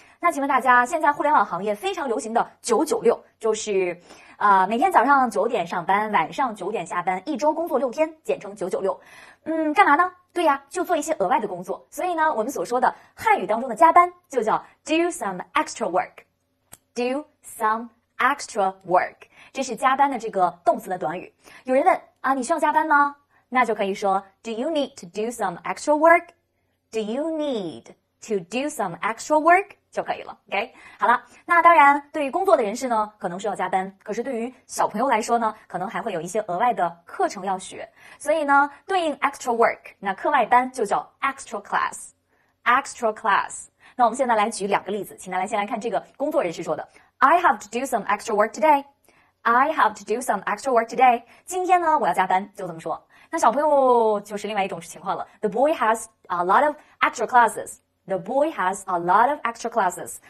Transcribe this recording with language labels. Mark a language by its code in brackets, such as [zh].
[zh] 那请问大家，现在互联网行业非常流行的996，就是每天早上9点上班，晚上9点下班，一周工作6天，简称996。干嘛呢？对呀，就做一些额外的工作。所以呢，我们所说的汉语当中的加班就叫 [en] do some extra work， [zh] do some extra work，这是加班的这个动词的短语。有人问啊，你需要加班吗？那就可以说 [en] Do you need to do some extra work? Do you need to do some extra work [zh] 就可以了。 OK，好了，那当然，对于工作的人士呢，可能是要加班；可是对于小朋友来说呢，可能还会有一些额外的课程要学。所以呢，对应 extra work，那课外班就叫 [en] extra class，extra class。 [zh] 那我们现在来举两个例子，请大家先来看这个工作人士说的。 [en] I have to do some extra work today. I have to do some extra work today. [zh] 今天呢，我要加班，就这么说。那小朋友就是另外一种情况了。 [en] The boy has a lot of extra classes. The boy has a lot of extra classes.